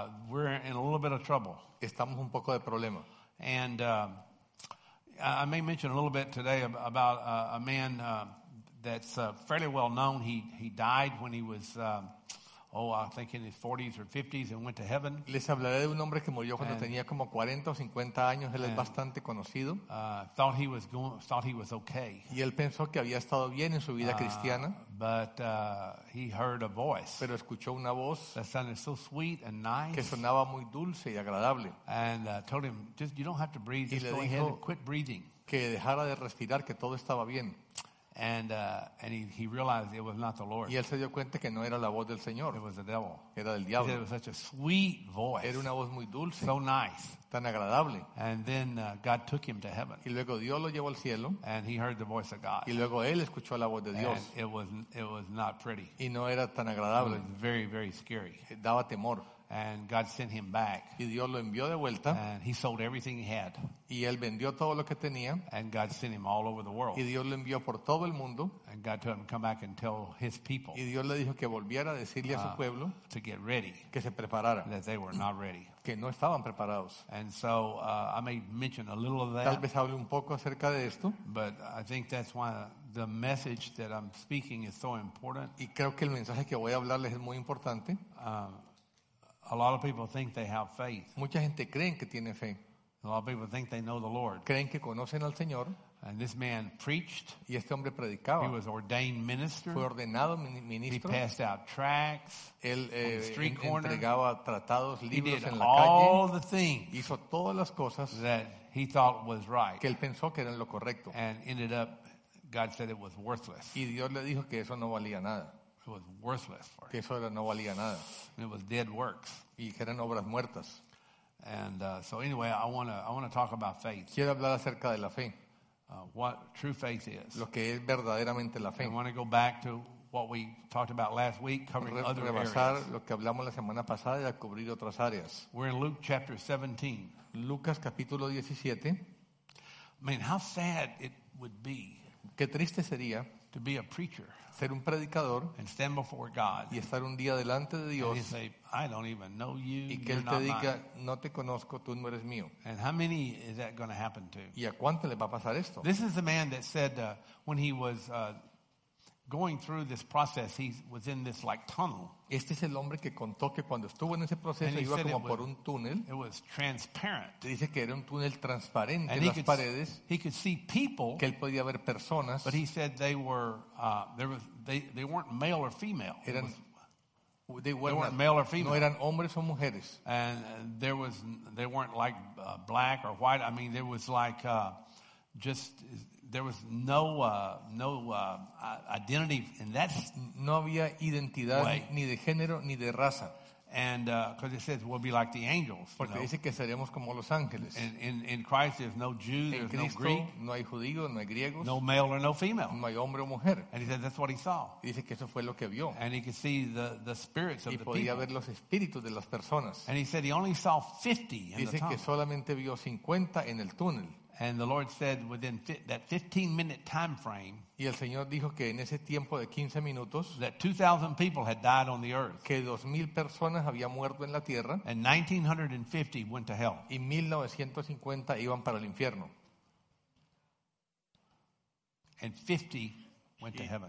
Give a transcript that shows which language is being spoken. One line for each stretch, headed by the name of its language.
English: we're in a little bit of trouble.
Spanish: Estamos un poco de problema.
English: And I may mention a little bit today about a man that's fairly well known. He died when he was, I think in his 40s or 50s, and went to heaven.
Spanish: Les hablaré de un hombre que murió cuando tenía como 40 o 50 años. Él es bastante conocido.
English: Thought he was okay.
Spanish: Y él pensó que había estado bien en su vida cristiana.
English: But he heard a voice.
Spanish: Pero escuchó una voz
English: that sounded so sweet and nice.
Spanish: Que sonaba muy dulce y agradable.
English: And told him, just you don't have to breathe. Just go ahead and quit breathing.
Spanish: Que dejara de respirar, que todo estaba bien.
English: And he realized it was not the Lord.
Spanish: Y él se dio cuenta que no era la voz del Señor.
English: It was the devil.
Spanish: Era del diablo.
English: He said it was such a sweet voice.
Spanish: Era una voz muy dulce.
English: So nice.
Spanish: Tan agradable.
English: And then God took him to heaven.
Spanish: Y luego Dios lo llevó al cielo.
English: And he heard the voice of God.
Spanish: Y luego él escuchó la voz de Dios.
English: And it was not pretty.
Spanish: Y no era tan agradable.
English: It was very, very scary.
Spanish: Daba temor.
English: And God sent him back.
Spanish: Y Dios lo envió de vuelta.
English: And he sold everything he had.
Spanish: Y él vendió todo lo que tenía.
English: And God sent him all over the world.
Spanish: Y Dios lo envió por todo el mundo.
English: And God told him to come back and tell his people.
Spanish: Y Dios le dijo que volviera a decirle a su pueblo
English: to get ready.
Spanish: Que se preparara.
English: That they were not ready.
Spanish: Que no estaban preparados.
English: And so I may mention a little of that.
Spanish: Tal vez hable un poco acerca de esto.
English: But I think that's why the message that I'm speaking is so important.
Spanish: Y creo que el mensaje que voy a hablarles es muy importante.
English: A lot of people think they have faith.
Spanish: Mucha gente cree que tiene fe.
English: A lot of people think they know the Lord.
Spanish: Creen que conocen al Señor.
English: And this man preached.
Spanish: Y este hombre predicaba.
English: He was ordained minister.
Spanish: Fue ordenado ministro.
English: He passed out tracts.
Spanish: Él entregaba tratados, libros en la calle.
English: He did all the things.
Spanish: Hizo todas las cosas
English: that he thought was right.
Spanish: Que él pensó que eran lo correcto.
English: And ended up, God said it was worthless.
Spanish: Y Dios le dijo que eso no valía nada.
English: It was worthless for him.
Spanish: Que eso era, no valía nada.
English: It was dead works.
Spanish: Y que eran obras muertas.
English: And so anyway, I want to talk about faith.
Spanish: Quiero hablar acerca de la fe.
English: What true faith is.
Spanish: Lo que es verdaderamente la fe.
English: I want to go back to what we talked about last week, covering other areas.
Spanish: Rebasar lo que hablamos la semana pasada y a cubrir otras áreas.
English: We're in Luke chapter 17.
Spanish: Lucas capítulo 17.
English: Man, how sad it would be.
Spanish: Qué triste sería.
English: To be a preacher.
Spanish: Ser un predicador
English: and stand before God,
Spanish: y estar un día delante de Dios
English: and say, I don't even know you,
Spanish: y que Él te diga, no te conozco, tú no eres mío.
English: And how many is that going to happen to?
Spanish: ¿Y a cuánto le va a pasar esto?
English: This is the man that said when he was going through this process, he was in this like tunnel.
Spanish: Este es el hombre que contó que cuando estuvo en ese proceso iba como por un túnel.
English: It was transparent.
Spanish: Dice que era un túnel transparente en las paredes.
English: He could see people.
Spanish: Que él podía ver personas.
English: But he said they weren't male or female. They weren't male or female.
Spanish: No eran hombres o mujeres.
English: And they weren't like black or white. I mean, there was like just. There was no identity in that.
Spanish: No había identidad
English: way.
Spanish: Ni de género ni de raza.
English: And because it says we'll be like the angels.
Spanish: Porque
English: you know?
Spanish: Dice que seremos como los ángeles.
English: In Christ, there's no Jew, there's
Spanish: Cristo,
English: no Greek,
Spanish: no hay judío, no hay griego,
English: no male or no female,
Spanish: no hay hombre o mujer.
English: And he said that's what he saw.
Spanish: Y dice que eso fue lo que vio.
English: And he could see the spirits of the people.
Spanish: Y podía ver los espíritus de las personas.
English: And he said he only saw 50 in
Spanish: dice
English: the tunnel.
Spanish: Dice que solamente vio 50 en el túnel.
English: And the Lord said within that 15-minute time frame.
Spanish: Y el Señor dijo que en ese tiempo de 15 minutos.
English: That 2,000 people had died on the earth.
Spanish: Que 2,000 personas habían muerto en la tierra.
English: And 1,950 went to hell.
Spanish: Y 1,950 iban para el infierno.
English: And 50 went to heaven.